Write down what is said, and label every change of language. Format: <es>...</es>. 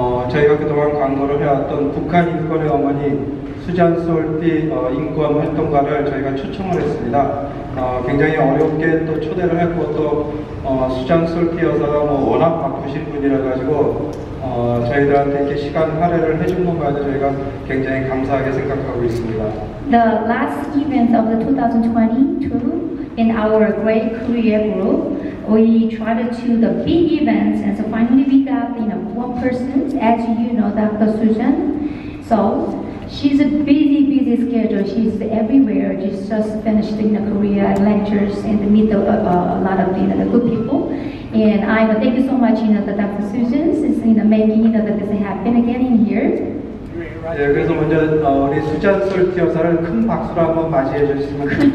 <ko>저희가 그동안 광고를 해왔던 북한 인권의 어머니 수잔 솔티 인권 활동가를 저희가 초청을 했습니다. 굉장히 어렵게 또 초대를 했고 또 수잔 솔티 여사가 뭐 워낙 바쁘신 분이라 가지고 저희들한테 이렇게 시간 할애를 해준 것만으로 저희가 굉장히 감사하게 생각하고 있습니다.</ko> <en>The last event of the 2022 in our great career group, we tried to do the big events, and so finally we got one person, as you know, Dr. Sujan. So she's a busy schedule. She's everywhere. She's just finished in Korea lectures and meet a lot of the good people. And I thank you so much, Dr. Sujan, since making that this happen again in here.</en> <ko>예, 그래서 먼저 우리 수잔 솔티 여사를 큰 박수로 한번 맞이해 주시면</ko>